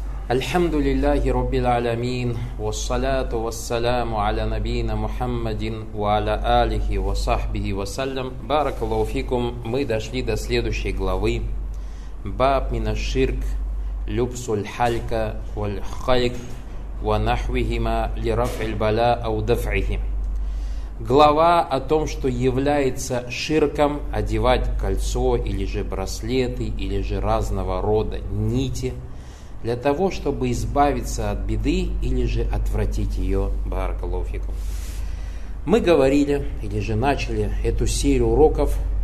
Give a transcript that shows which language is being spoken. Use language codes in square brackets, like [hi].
[ar] الحمد لله رب العالمين والصلاة والسلام على نبينا محمد وعلى آله وصحبه وسلم. بارك الله فيكم. [ru] Мы дошли до следующей главы. [ar] باب من الشرك لبس الحلق والخلق ونحوهما لرفع البلاء أو دفعه. [ru] Глава о том, что является ширком одевать кольцо или же браслеты или же разного рода нити для того, чтобы избавиться от беды или же отвратить ее, баракаллаху фикум. Мы говорили или же начали эту серию уроков.